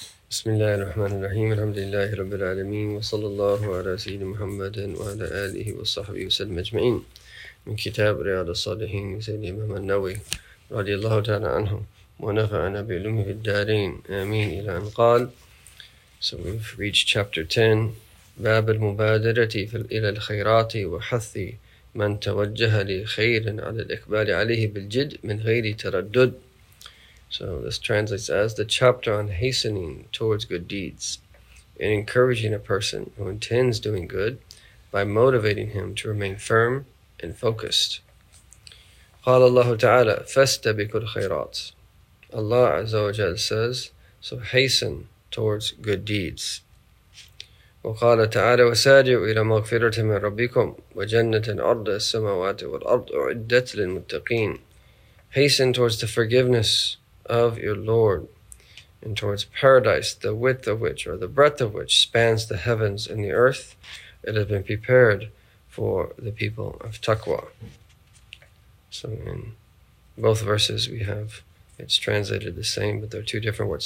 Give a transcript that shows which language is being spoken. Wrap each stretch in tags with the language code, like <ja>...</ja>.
<ar>بسم الله الرحمن الرحيم الحمد لله رب العالمين وصلى الله على سيد محمد وعلى آله وصحبه وسلم أجمعين من كتاب رياض الصالحين سيد الإمام النووي رضي الله تعالى عنه ونفعنا بعلومه في الدارين آمين إلى أن قال.</ar> <en>So we've reached chapter 10,</en> <ar>باب المبادرة إلى الخيرات وحث من توجه لخير على الإقبال عليه بالجد من غير تردد.</ar> <en>So this translates as the chapter on hastening towards good deeds and encouraging a person who intends doing good by motivating him to remain firm and focused.</en> <ar>قال الله تعالى فاستبقوا الخيرات.</ar> <en>Allah Azza wa Jal says, so hasten towards good deeds.</en> <ar>وقال تعالى وسارعوا إلى مغفرة من ربكم وجنة أرض السماوات والأرض أعدت للمتقين.</ar> <en>Hasten towards the forgiveness of your Lord and towards paradise, the width of which or the breadth of which spans the heavens and the earth. It has been prepared for the people of taqwa. So in both verses we have, it's translated the same, but there are two different words.</en>